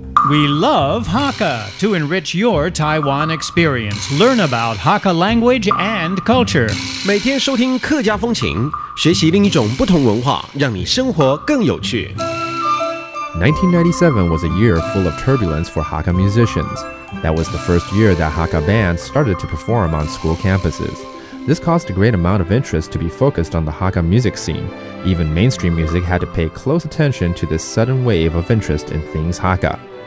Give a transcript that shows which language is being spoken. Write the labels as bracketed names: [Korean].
[English] We love Hakka to enrich your Taiwan experience. Learn about Hakka language and culture. [Chinese] 每天收听客家风情，学习另一种不同文化，让你生活更有趣。 [English] 1997 was a year full of turbulence for Hakka musicians. That was the first year that Hakka bands started to perform on school campuses. This caused a great amount of interest to be focused on the Hakka music scene. Even mainstream music had to pay close attention to this sudden wave of interest in things Hakka.